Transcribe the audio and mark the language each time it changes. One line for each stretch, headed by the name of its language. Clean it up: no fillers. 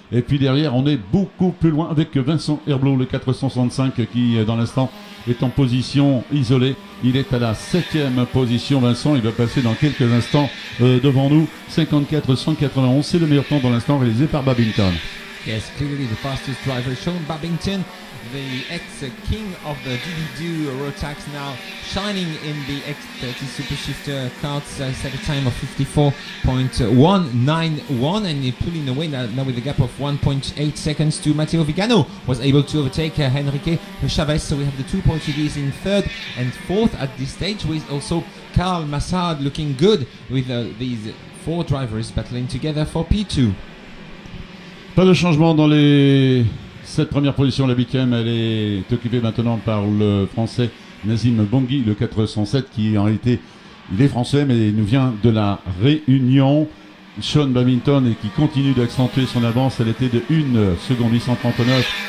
French: Et puis derrière, on est beaucoup plus loin avec Vincent Herblot, le 465, qui dans l'instant est en position isolée. Il est à la 7ème position, Vincent. Il va passer dans quelques instants devant nous. 54-191, c'est le meilleur temps dans l'instant réalisé par Babington.
English: Yes, clearly the fastest driver, Sean Babington, the ex-king of the Didi-Doo Rotax, now shining in the X30 Supershifter cards, set a time of 54.191, and pulling away now with a gap of 1.8 seconds to Matteo Vigano, was able to overtake Enrique Chavez. So we have the two Portuguese in third and fourth at this stage, with also Karl Massad looking good with these four drivers battling together for P2.
French: Pas de changement dans les 7 premières positions. La 8ème, elle est occupée maintenant par le français Nazim Bongui, le 407, qui en réalité, il est français, mais il nous vient de la Réunion. Sean Babington, et qui continue d'accentuer son avance, elle était de 1 seconde 839.